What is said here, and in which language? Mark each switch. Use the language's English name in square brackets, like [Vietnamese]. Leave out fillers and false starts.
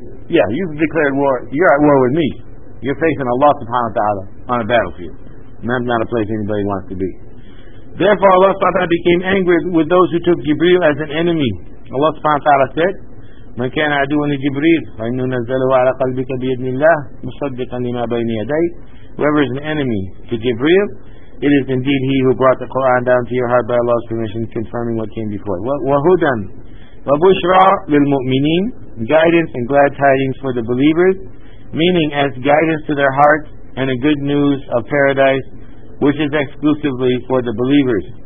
[English] Yeah, you've declared war. You're at war with me. You're facing Allah subhanahu wa ta'ala on a battlefield. And that's not a place anybody wants to be. Therefore, Allah subhanahu wa ta'ala became angry with those who took Jibreel as an enemy. Allah subhanahu wa ta'ala said, [Arabic] من كان عدوني جبريل فإنه نزله على قلبك بإذن الله مصدقا لما بين يديك. [English] Whoever is an enemy to Jibreel, it is indeed he who brought the Quran down to your heart by Allah's permission, confirming what came before. [Arabic] وَهُدًا وَبُشْرَى لِلْمُؤْمِنِينَ, [English] guidance and glad tidings for the believers, meaning as guidance to their hearts and a good news of paradise, which is exclusively for the believers.